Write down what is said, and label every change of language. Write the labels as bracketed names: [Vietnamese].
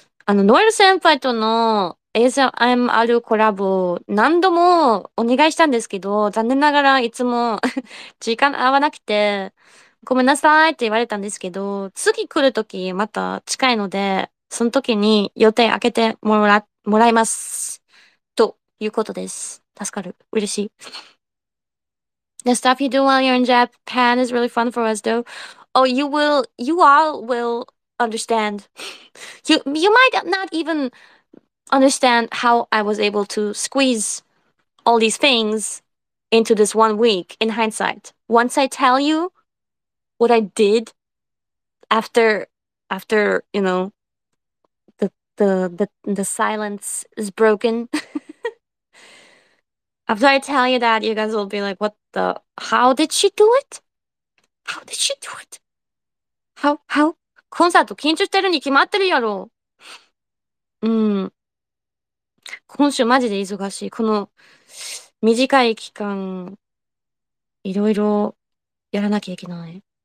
[Japanese] あの、ノエル先輩との ASMR コラボ何度もお願いしたんですけど、残念ながらいつも 時間合わなくて、ごめんなさいって言われたんですけど、次来るときまた近いので、その時に予定開けてもらいます。ということです。助かる。嬉しい。 [English] The stuff you do while you're in Japan is really fun for us, though. Oh, you all will understand. You might not even understand how I was able to squeeze all these things into this 1 week in hindsight. Once I tell you what I did after, you know, the silence is broken. After I tell you that, you guys will be like, what the? How did she do it? How did she do it? How? [Japanese] コンサート緊張してるに決まってるやろ。今週マジで忙しい。この短い期間、いろいろやらなきゃいけない。